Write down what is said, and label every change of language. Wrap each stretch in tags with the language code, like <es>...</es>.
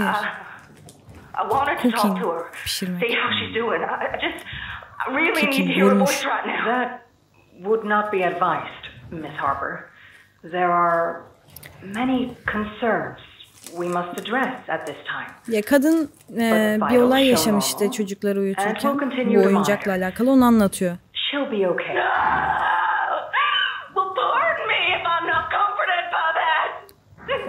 <en>I wanted to talk to her.</en> <tr>Pişirmek.</tr> <en>See how she's doing. I really need to hear her voice right now. That would not be advised, Miss Harper. There are many concerns we must address at this time.</en> <tr>Ya kadın bir olay yaşamış işte çocukları uyuturken. Bu oyuncakla alakalı onu anlatıyor.</tr> <en>She'll be okay. Well, pardon me if I'm not comforted by that.</en>